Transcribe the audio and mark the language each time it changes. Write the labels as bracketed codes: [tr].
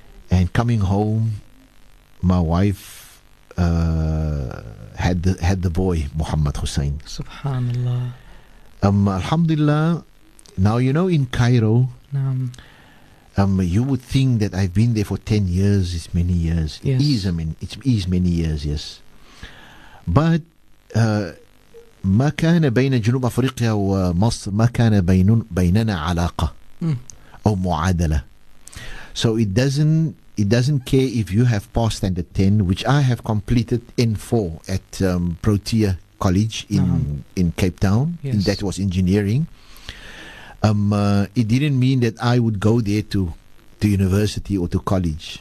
[en] And coming home, my wife had the boy, Muhammad Hussein. SubhanAllah. Alhamdulillah. Now, you know, in Cairo, you would think that I've been there for 10 years. It's many years. Yes. It is many years, yes. But [ar] ما كان بين جنوب أفريقيا ومصر ما كان بيننا علاقة أو معادلة. [en] So it doesn't care if you have passed standard 10, which I have completed N4 at Protea College in Cape Town. Yes. That was engineering. It didn't mean that I would go there to university or to college.